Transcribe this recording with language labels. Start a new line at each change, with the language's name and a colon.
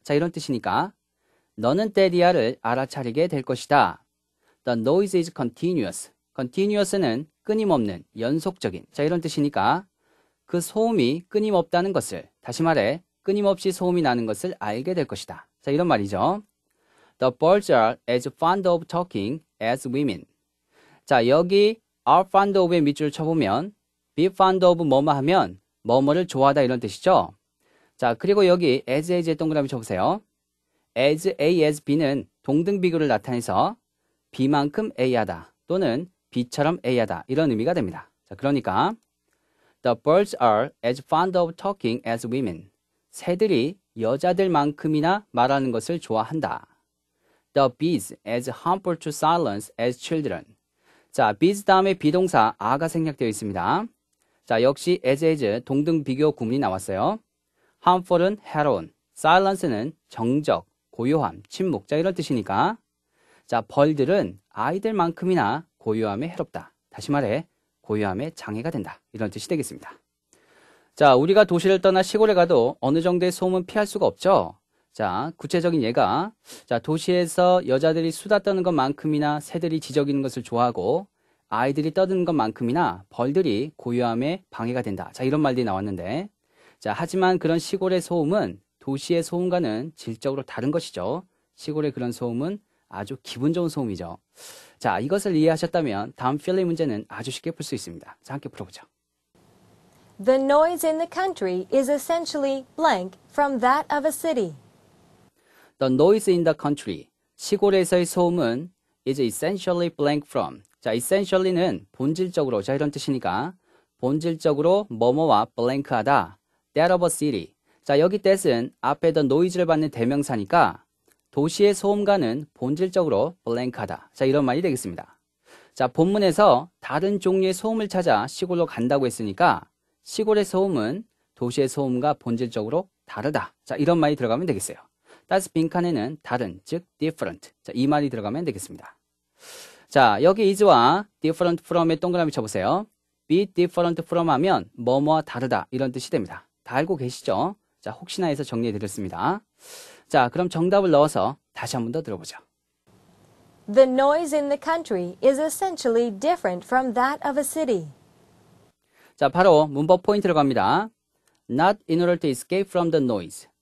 Korean: 자, 이런 뜻이니까 너는 때리야를 알아차리게 될 것이다.
English: The noise is continuous. Continuous는
Korean: 끊임없는, 연속적인. 자, 이런 뜻이니까 그 소음이 끊임없다는 것을 다시 말해 끊임없이 소음이 나는 것을 알게 될 것이다. 자, 이런 말이죠.
English: The birds are as fond of talking as women.
Korean: 자, 여기
English: are fond of
Korean: 의 밑줄을 쳐보면
English: be fond of
Korean: 뭐뭐 하면 뭐뭐를 좋아하다 이런 뜻이죠. 자, 그리고 여기 as의 동그라미 쳐보세요. as A, as B는 동등 비교를 나타내서 B만큼 A하다 또는 B처럼 A하다 이런 의미가 됩니다. 자, 그러니까
English: The birds are as fond of talking as women.
Korean: 새들이 여자들만큼이나 말하는 것을 좋아한다.
English: The bees as harmful to silence as children.
Korean: 자, bees 다음에 비동사 are가 생략되어 있습니다. 자, 역시 as 동등 비교 구문이 나왔어요. harmful은 해로운, silence는 정적, 고요함, 침묵. 자, 이런 뜻이니까. 자, 벌들은 아이들만큼이나 고요함에 해롭다. 다시 말해, 고요함에 장애가 된다. 이런 뜻이 되겠습니다. 자, 우리가 도시를 떠나 시골에 가도 어느 정도의 소음은 피할 수가 없죠. 자, 구체적인 예가. 자, 도시에서 여자들이 수다 떠는 것만큼이나 새들이 지저귀는 것을 좋아하고 아이들이 떠드는 것만큼이나 벌들이 고요함에 방해가 된다. 자, 이런 말들이 나왔는데. 자, 하지만 그런 시골의 소음은 도시의 소음과는 질적으로 다른 것이죠. 시골의 그런 소음은 아주 기분 좋은 소음이죠. 자, 이것을 이해하셨다면 다음 필리 문제는 아주 쉽게 풀수 있습니다. 자, 함께 풀어보죠.
English: The noise in the country is essentially blank from that of a city. The noise in the country.
Korean: 시골에서의 소음은
English: is essentially blank from.
Korean: 자, essentially는 본질적으로. 자, 이런 뜻이니까. 본질적으로 뭐뭐와 blank하다.
English: That of a city.
Korean: 자, 여기 that은 앞에 the noise를 받는 대명사니까 도시의 소음과는 본질적으로 blank하다. 자, 이런 말이 되겠습니다. 자, 본문에서 다른 종류의 소음을 찾아 시골로 간다고 했으니까 시골의 소음은 도시의 소음과 본질적으로 다르다. 자, 이런 말이 들어가면 되겠어요. 따스 빈칸에는 다른, 즉 different. 자, 이 말이 들어가면 되겠습니다. 자, 여기 is와 different from의 동그라미 쳐보세요.
English: be different from
Korean: 하면 뭐뭐와 다르다 이런 뜻이 됩니다. 다 알고 계시죠? 자, 혹시나 해서 정리해 드렸습니다. 자, 그럼 정답을 넣어서 다시 한번 더 들어보죠.
English: The noise in the country is essentially different from that of a city.
Korean: 자, 바로 문법 포인트로 갑니다.
English: Not in order to escape from the noise.